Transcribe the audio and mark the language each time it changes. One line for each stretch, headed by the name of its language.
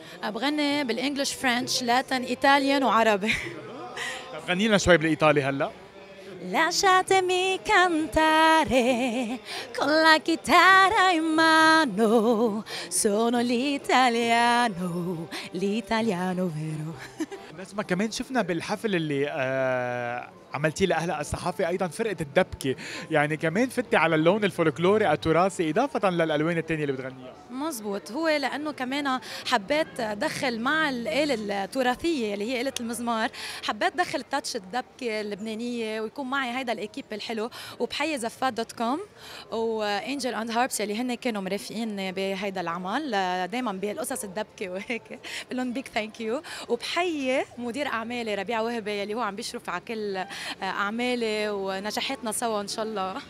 Arabic: بغني بالإنجليش، فرنش، لاتن، إيطاليان، وعربي. طب غني لنا شوي بالإيطالي هلأ.
Italian: Lasciatemi cantare con la chitarra in mano, sono l'italiano, l'italiano vero.
Arabic: بس ما كمان شفنا بالحفل اللي عملتيه لأهل الصحافة أيضا فرقة الدبكة، يعني كمان فتي على اللون الفولكلوري التراثي إضافة للألوان التانية اللي بتغنيها. مزبوط. هو لأنه كمان حبيت دخل مع الآلة التراثية اللي هي آلة المزمار، حبيت دخل تاتش الدبكة اللبنانية، ويكون معي هيدا الإكيب الحلو، وبحيي زفات.com وإنجل أند هاربس اللي هن كانوا مرافقين بهيدا العمل، دائما بالقصص الدبكة وهيك، بقول لهم
English: big thank you,
Arabic: وبحيي مدير أعمالي ربيع وهبي اللي هو عم بيشرف على كل أعمالي ونجاحاتنا سوا إن شاء الله.